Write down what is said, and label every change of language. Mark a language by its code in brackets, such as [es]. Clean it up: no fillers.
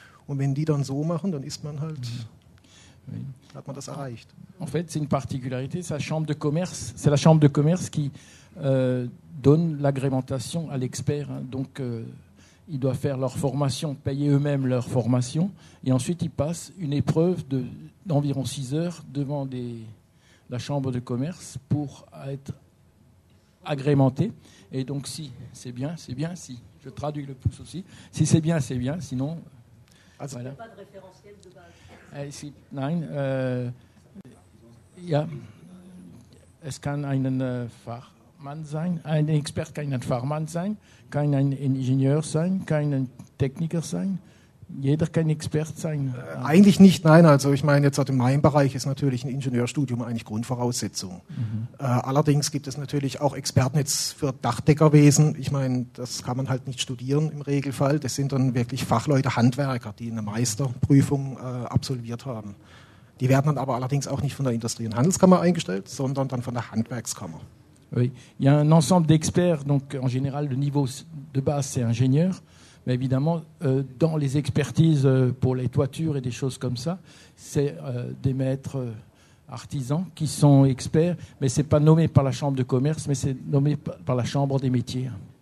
[de] Und wenn die dann so machen, dann ist man halt, hat man das erreicht. [fr] En fait, c'est une particularité, c'est la chambre de commerce, c'est la chambre de commerce qui donne l'agrémentation à l'expert, hein. Donc ils doivent faire leur formation, payer eux-mêmes leur formation, et ensuite ils passent une épreuve d'environ 6 heures devant la chambre de commerce pour être agrémenté. Et donc si c'est bien, c'est bien. Si je traduis le pouce aussi, si c'est bien, c'est bien. Sinon, ah, voilà. Pas de référentiel de base. [de] Es kann einen Fachmann sein, ein Experte kann ein Fachmann sein, kann ein Ingenieur sein, kann ein Techniker sein. Jeder kann Experte sein. Eigentlich nicht, nein. Also ich meine, jetzt in meinem Bereich ist natürlich ein Ingenieurstudium eigentlich Grundvoraussetzung. Mhm. Allerdings gibt es natürlich auch Experten jetzt für Dachdeckerwesen. Ich meine, das kann man halt nicht studieren im Regelfall. Das sind dann wirklich Fachleute, Handwerker, die eine Meisterprüfung absolviert haben. Die werden dann aber allerdings auch nicht von der Industrie- und Handelskammer eingestellt, sondern dann von der Handwerkskammer. [fr] Oui. Il y a un ensemble d'experts, donc en général, le niveau de base, c'est ingénieur. Mais évidemment, dans les expertises pour les toitures et des choses comme ça, c'est des maîtres artisans qui sont experts, mais ce n'est pas nommé par la Chambre de commerce, mais c'est nommé par la Chambre des métiers.